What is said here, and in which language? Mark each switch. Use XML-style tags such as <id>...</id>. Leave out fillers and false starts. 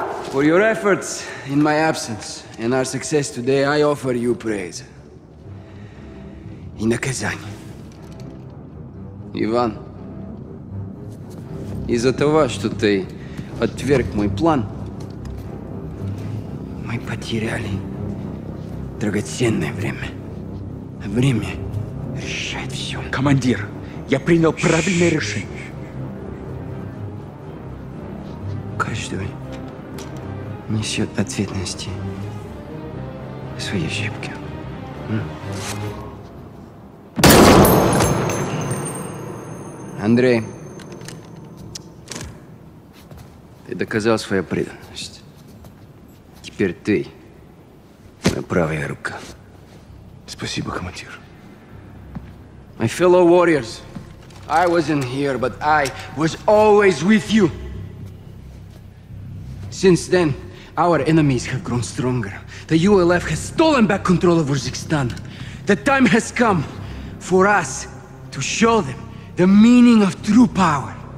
<en>For your efforts in my absence and our success today, I offer you praise.</en> <ru>И наказание. Иван, из-за того, что ты отверг мой план, мы потеряли драгоценное время. Время решает все. Командир, я принял правильное решение. Каждый несет ответственности в свои ошибки. Андрей, ты доказал свою преданность. Теперь ты моя правая рука. Спасибо, командир.</ru> <en>My fellow warriors, I wasn't here, but I was always with you. Since then, our enemies have grown stronger. The ULF has stolen back control of Uzbekistan. The time has come for us to show them the meaning of true power.</en>